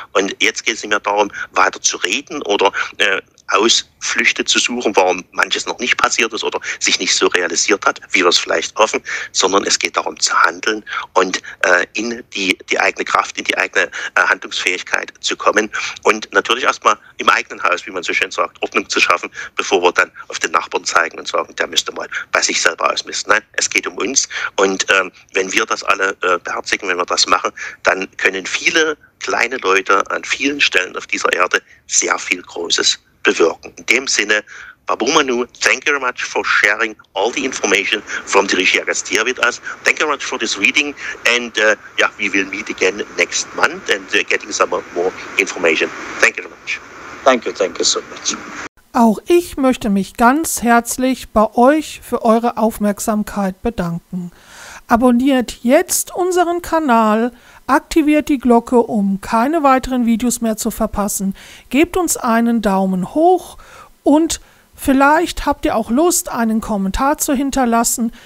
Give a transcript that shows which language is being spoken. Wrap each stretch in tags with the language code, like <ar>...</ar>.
<de>Und jetzt geht es nicht mehr darum, weiter zu reden oder Ausflüchte zu suchen, warum manches noch nicht passiert ist oder sich nicht so realisiert hat, wie wir es vielleicht hoffen, sondern es geht darum zu handeln und in die eigene Kraft, in die eigene Handlungsfähigkeit zu kommen und natürlich erstmal im eigenen Haus, wie man so schön sagt, Ordnung zu schaffen, bevor wir dann auf den Nachbarn zeigen und sagen, der müsste mal bei sich selber ausmisten. Nein, es geht um uns und wenn wir das alle beherzigen, wenn wir das machen, dann können viele kleine Leute an vielen Stellen auf dieser Erde sehr viel Großes bewirken. In dem Sinne,</de> <en>Babu Manu, thank you very much for sharing all the information from the Rishi Agastya with us. Thank you very much for this reading and we will meet again next month and getting some more information. Thank you very much. Thank you so much.</en> <de>Auch ich möchte mich ganz herzlich bei euch für eure Aufmerksamkeit bedanken. Abonniert jetzt unseren Kanal, aktiviert die Glocke, um keine weiteren Videos mehr zu verpassen. Gebt uns einen Daumen hoch und vielleicht habt ihr auch Lust, einen Kommentar zu hinterlassen.</de>